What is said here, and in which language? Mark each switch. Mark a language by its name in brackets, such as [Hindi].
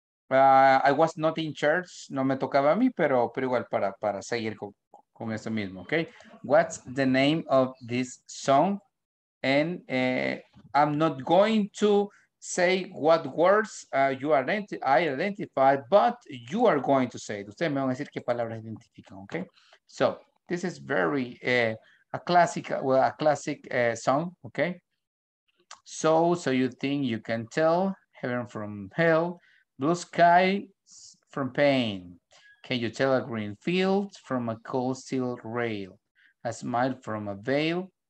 [English] I was not in church, [Spanish] no me tocaba a mí, pero igual para seguir con eso mismo, okay? [English] What's the name of this song? And I'm not going to say what words I identify, but you are going to say it. [Spanish] Ustedes me van a decir qué palabras identifican, okay? [English] So this is very a classic song, okay? So you think you can tell heaven from hell, blue sky from pain. Can you tell a green field from a cold steel rail, a smile from a veil?